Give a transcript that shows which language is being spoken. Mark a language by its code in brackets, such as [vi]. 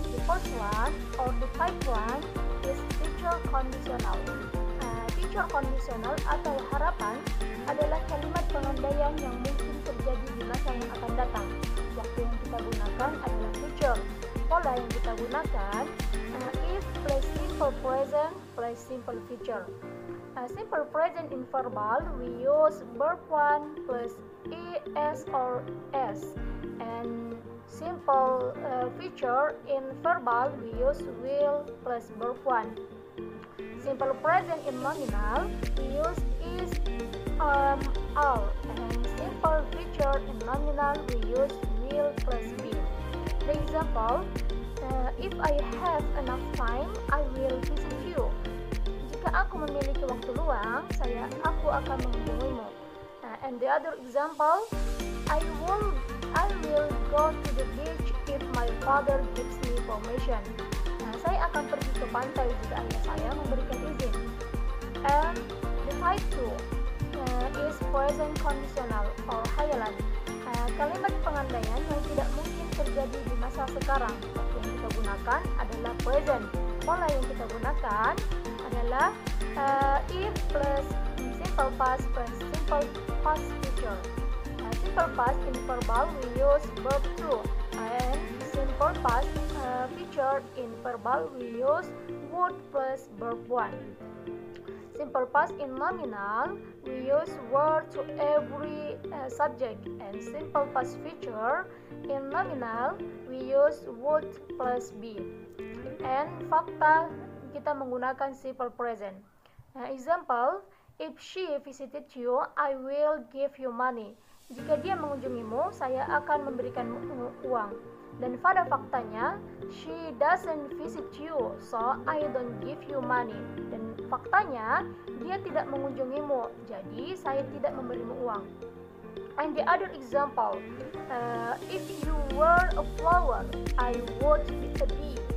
[en] The first one or the type one is future conditional. [id] Future conditional atau harapan adalah kalimat pengandaian yang mungkin terjadi di masa yang akan datang. Waktu yang kita gunakan adalah future. Pola yang kita gunakan if plus simple present plus simple future. [en] Simple present in verbal, we use verb 1 plus es or s. And simple future in verbal, we use will plus verb 1. Simple present in nominal, we use is, are. And simple future in nominal, we use will plus be. The example, if I have enough time, I will visit you. [id] Jika aku memiliki waktu luang, aku akan mengunjungimu. [en] And the other example, I will go to the beach if my father gives me permission. [id] Saya akan pergi ke pantai jika ayah saya memberikan izin. [en] And the type 2 is present conditional or hayalan. [id] Kalimat pengandaian yang tidak mungkin terjadi di masa sekarang. Waktu yang kita gunakan adalah present. Pola yang kita gunakan adalah if plus simple past plus simple past future. [en] Simple past in verbal we use verb 2 and simple past future in verbal we use would plus verb 1. Simple past in nominal we use were to every subject and simple past future in nominal we use would plus be. [id] And fakta kita menggunakan simple present. [en] Example, if she visited you, I will give you money. [id] Jika dia mengunjungimu, saya akan memberikan uang. Dan pada faktanya, [en] she doesn't visit you, so I don't give you money. [id] Dan faktanya, dia tidak mengunjungimu, jadi saya tidak memberimu uang. [en] And the other example, if you were a flower, I would be a bee.